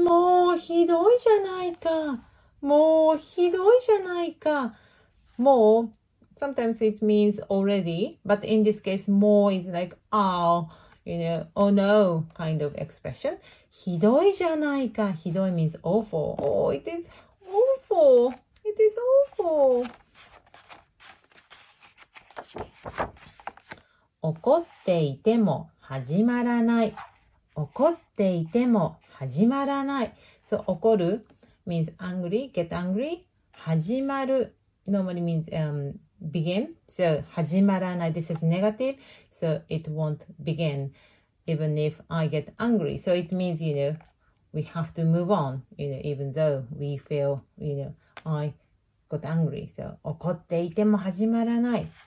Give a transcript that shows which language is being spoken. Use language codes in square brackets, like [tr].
[ja] もうひどいじゃないか。もうひどいじゃないか。 [en] もう、sometimes it means already, but in this case, もう is like, oh, you know, oh no, kind of expression. [ja] ひどいじゃないか。ひどい [en] means awful. Oh, it is awful. It is awful. [ja] 怒っていても始まらない。怒っていても始まらない。 [en] So, 怒る?means angry, get angry. 始まる normally means begin. So 始まらない this is negative. So it won't begin even if I get angry. So it means, you know, we have to move on, you know, even though we feel, you know, I got angry. So [ja] 怒っていても始まらない